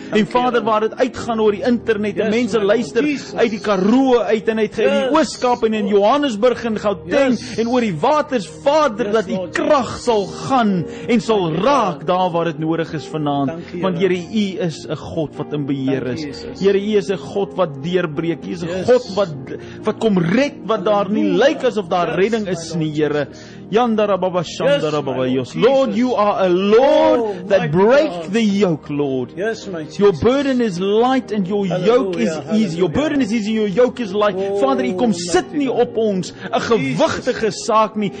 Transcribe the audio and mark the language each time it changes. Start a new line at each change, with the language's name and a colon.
Afrikaans: En Vader, waar dit uitgaan oor die internet, en mense luister uit die Karoo uit en uit die Ooskaap en in Johannesburg en Gauteng en oor die waters, Vader, dat die krag sal gaan en sal raak daar waar dit nodig is vanaand, want Here, U is 'n God wat in beheer is. Here, U is 'n God wat deurbreek. U is 'n God wat kom red, wat daar nie lyk asof daar redding is nie, Here. Yandarababa shandarababa yos.
English: Lord, You are a Lord that break the yoke, Lord. Yes, my Jesus. Your burden is light and Your yoke is easy. Your burden is easy, Your yoke is light.
Afrikaans: Vader, U kom sit nie op ons 'n gewigtige saak nie.